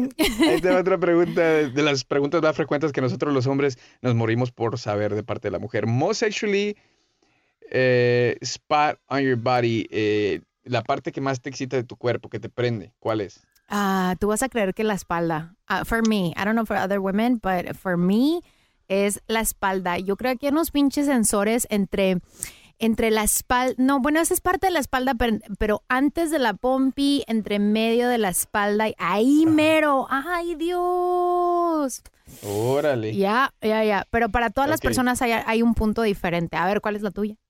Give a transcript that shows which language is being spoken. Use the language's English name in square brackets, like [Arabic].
[Spanish] Esta es otra pregunta de las preguntas más frecuentes que nosotros los hombres nos morimos por saber de parte de la mujer. [English] Most sexually spot on your body, [Spanish] la parte que más te excita de tu cuerpo, que te prende, ¿cuál es? Tú vas a creer que la espalda. [English] For me, I don't know for other women, but for me, [Spanish] es la espalda. Yo creo que hay unos pinches sensores entre la espalda. No, bueno, esa es parte de la espalda, pero antes de la pompi, entre medio de la espalda. Y ahí mero. ¡Ay, Dios! ¡Órale! Ya. Pero para todas las personas hay un punto diferente. A ver, ¿cuál es la tuya?